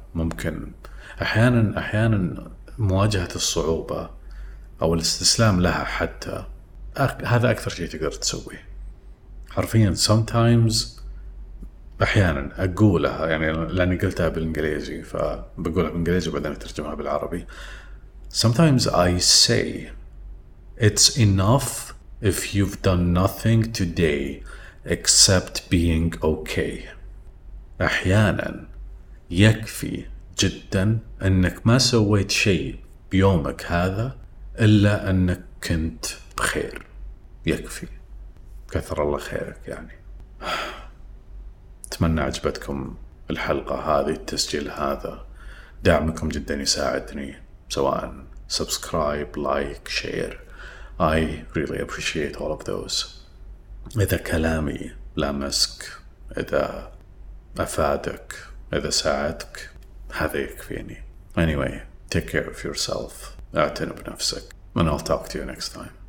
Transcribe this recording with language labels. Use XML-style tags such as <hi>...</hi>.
<ar>ممكن أحيانا مواجهة الصعوبة أو الاستسلام لها حتى هذا أكثر شيء تقدر تسويه حرفيا. sometimes أحيانا أقولها، يعني لأني قلتها بالإنجليزي فبقولها بالإنجليزي وبعدين أترجمها بالعربي.</ar> <en>sometimes I say it's enough if you've done nothing today except being okay.</en> <ar>أحيانا يكفي جدا أنك ما سويت شيء بيومك هذا إلا أنك كنت بخير، يكفي، كثر الله خيرك. يعني أتمنى عجبتكم الحلقة هذه، التسجيل هذا. دعمكم جدا يساعدني، سواء سبسكرايب، لايك، شير.</ar> <en>I really appreciate all of those.</en> <ar>إذا كلامي لامسك، إذا أفادك، إذا ساعدك، هذا يكفيني.</ar> <en>Anyway, take care of yourself.</en> <ar>اعتن بنفسك.</ar> <en>And I'll talk to you next time.</en>